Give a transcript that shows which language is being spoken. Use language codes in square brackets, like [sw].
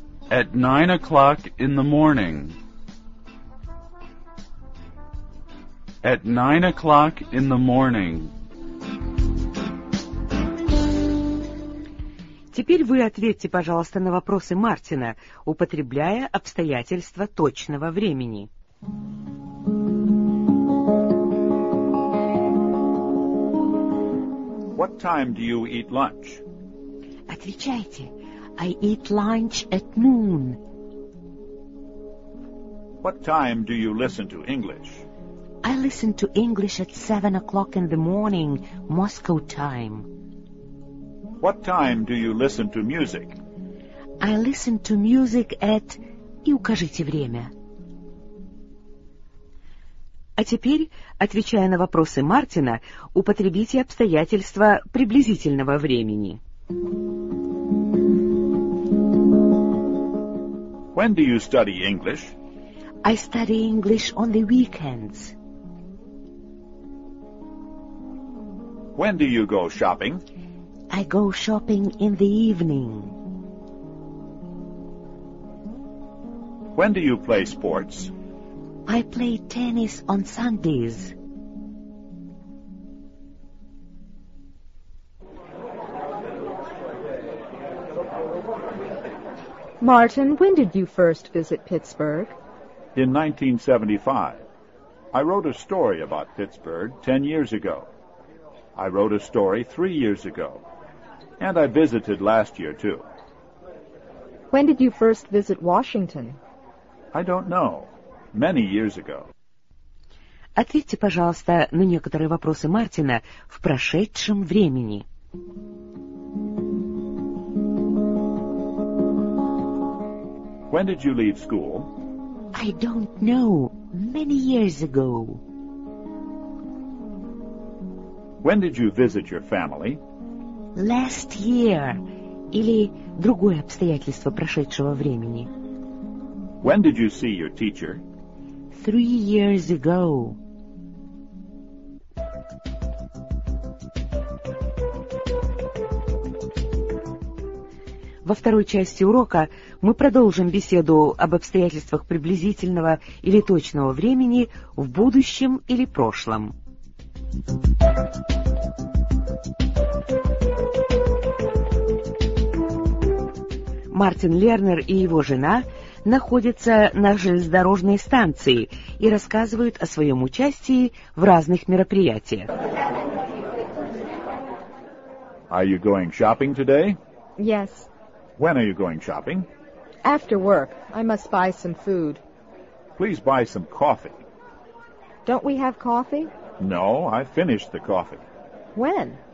[en] At 9 o'clock in the morning. At 9 o'clock in the morning. [ru] Теперь вы ответьте, пожалуйста, на вопросы Мартина, употребляя обстоятельства точного времени. [en] What time do you eat lunch? [ru] Отвечайте. [en] I eat lunch at noon. What time do you listen to English? I listen to English at 7 o'clock in the morning, Moscow time. What time do you listen to music? I listen to music at... [ru] И укажите время. А теперь, отвечая на вопросы Мартина, употребите обстоятельства приблизительного времени. [en] When do you study English? I study English on the weekends. When do you go shopping? I go shopping in the evening. When do you play sports? I play tennis on Sundays. Martin, when did you first visit Pittsburgh? In 1975. I wrote a story about Pittsburgh 10 years ago. I wrote a story 3 years ago. And I visited last year, too. When did you first visit Washington? I don't know. Many years ago. [ru] Ответьте, пожалуйста, на некоторые вопросы Мартина в прошедшем времени. [en] When did you leave school? I don't know. Many years ago. When did you visit your family? Last year. [ru] Или другое обстоятельство прошедшего времени. [en] When did you see your teacher? 3 years ago. [ru] Во второй части урока мы продолжим беседу об обстоятельствах приблизительного или точного времени в будущем или прошлом. Мартин Лернер и его жена находятся на железнодорожной станции и рассказывают о своем участии в разных мероприятиях. [en] Are you going shopping today? Yes. When are you going shopping? After work. I must buy some food. Please buy some coffee. Don't we have coffee? No, I finished the coffee. When?